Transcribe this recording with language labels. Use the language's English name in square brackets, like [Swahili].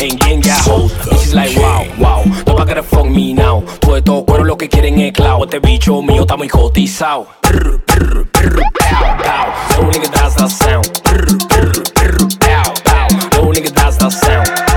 [English] En Genga, this is like wow, wow. [Spanish] No va a querer [English] fuck me now. [Spanish] Todos estos cueros lo que quieren es clavo. Este bicho mío está muy cotizado. Brr, brr, brr, pow, pow. [English] No nigga, that's the sound. Brr, brr, brr, pow, pow. No nigga, that's the sound.